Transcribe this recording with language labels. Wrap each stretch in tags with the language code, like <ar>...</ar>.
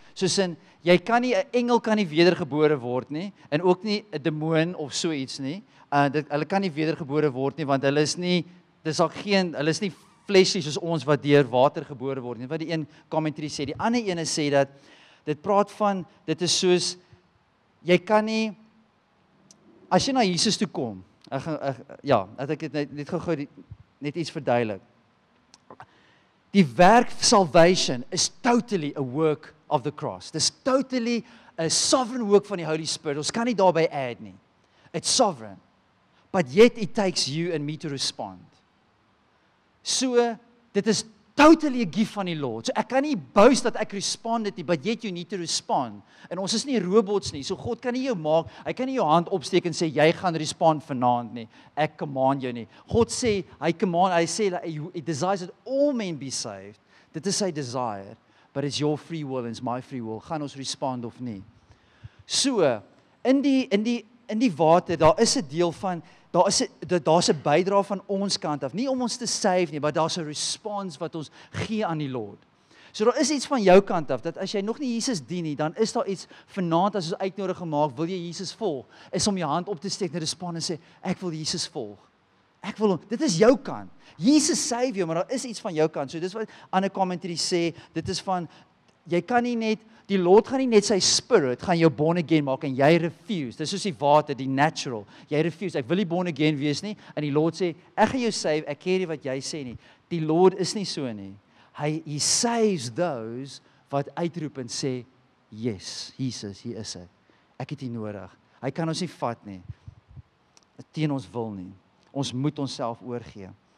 <af>Soos in, jy kan nie, 'n engel kan nie wedergebore word nie, en ook nie 'n demoon of so iets nie, hulle kan nie wedergebore word nie, want hulle is nie fleshy soos ons wat deur water gebore word nie, wat die een commentary sê. Die ander ene sê dat, dit praat van, dit is soos, jy kan nie, as jy na Jesus toe kom, ek het net iets verduidelik. Die werk</af> <en>salvation is totally a work of the cross.</en> <af>Dit is</af> <en>totally a sovereign work</en> <af>van die</af> <en>Holy Spirit.</en> <af>Ons kan nie daarby add nie.</af> <en>It's sovereign. But yet it takes you and me to respond.</en> <af>So, dit is</af> <en>totally a gift</en> <af>van die Lord. So ek kan nie boast dat ek respond het nie,</af> <en>but yet you need to respond.</en> <af>En ons is nie robots nie, so God kan nie jou maak, hy kan nie jou hand opsteek en sê, jy gaan respond vanavond nie, ek command jou nie. God sê,</af> <en>he desires that all men be saved.</en> <af>Dit is sy</af> <en>desire, but it's your free will and it's my free will.</en> <af>Gaan ons respond of nie? So, in die water, daar is 'n deel van, daar is 'n bydra van ons kant af, nie om ons te save nie, maar daar is 'n response wat ons gee aan die Lord. So daar is iets van jou kant af, dat as jy nog nie Jesus dien nie, dan is daar iets vanaand, as ons uitnodig gemaakt, wil jy Jesus volg, is om jou hand op te steek, en respond en sê, ek wil Jesus volg. Ek wil, dit is jou kant. Jesus save jou, maar daar is iets van jou kant. So dit is wat ander commentary sê, dit is van, jy kan nie net, die Lord gaan nie net sy spirit, gaan jou born again maak, en jy refuse, dis soos die water, die natural, jy refuse, ek wil nie born again wees nie, en die Lord sê, ek gaan jou save, ek ken nie wat jy sê nie, die Lord is nie so nie,</af> <en>he saves those,</en> <af>wat uitroep en sê, yes, Jesus, hier is ek, ek het hier nodig, hy kan ons nie vat nie, teen ons wil nie, ons moet onsself oorgee.</af>